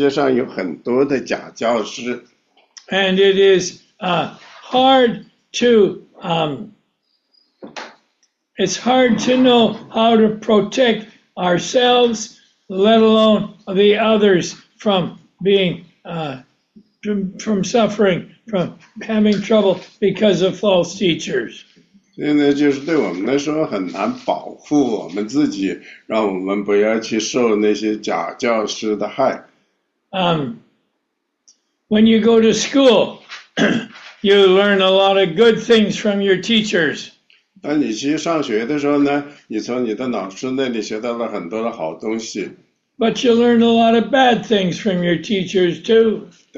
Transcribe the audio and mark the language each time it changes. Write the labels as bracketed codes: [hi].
[zh] 我非常的担心，我也非常的有这样的就是压力，就是在世界上有很多的假教师。 [en] And it is hard to it's hard to know how to protect ourselves, let alone the others, from being from suffering, from having trouble because of false teachers. [zh] 现在就是对我们来说很难保护我们自己，让我们不要去受那些假教师的害。 [en] When you go to school, you learn a lot of good things from your teachers. [zh] 当你去上学的时候呢，你从你的老师那里学到了很多的好东西。 [en] But you learn a lot of bad things from your teachers too.